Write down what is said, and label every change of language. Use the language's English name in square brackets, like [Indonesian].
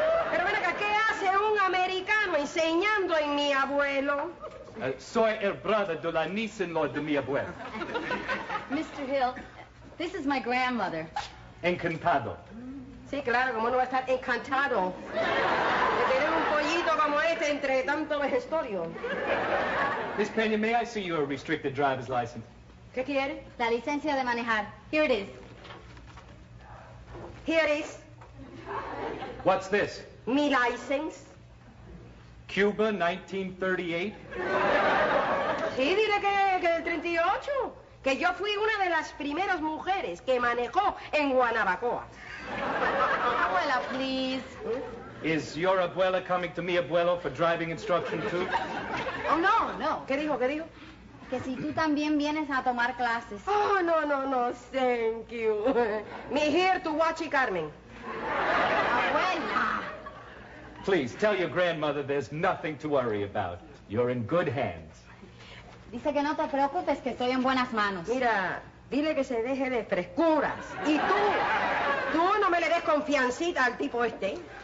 [Spanish] Pero ven acá, ¿qué hace un americano enseñando en mi abuelo? Soy el [English] brother [Spanish] de la [English] niece-in-law [Spanish] de mi abuelo. [English] Mr. Hill, this is my grandmother. [Spanish] Encantado. Sí, claro, como uno va a estar encantado de tener un pollito como este entre tanto vejestorio. [English] Miss Peña, may I see your restricted driver's license? [Spanish] ¿Qué quiere? La licencia de manejar. [English] Here it is. Here it is. What's this? [Spanish] Mi license. Cuba, 1938. Sí, dile que el 38. Que yo fui una de las primeras mujeres que manejó en Guanabacoa. [English] Abuela, please. Is your abuela coming to [Spanish] mi abuelo [English] for driving instruction too? Oh, no, no. [Spanish] ¿Qué dijo? ¿Qué dijo? Que si tú también vienes a tomar clases. [English] Oh, no, no, no, thank you. Me here to watch y Carmen. [Spanish] Abuela. [English] Please, tell your grandmother there's nothing to worry about. You're in good hands. [Spanish] Dice que no te preocupes, que estoy en buenas manos. Mira, dile que se deje de frescuras. Y tú... Tú no me le des confiancita al tipo este.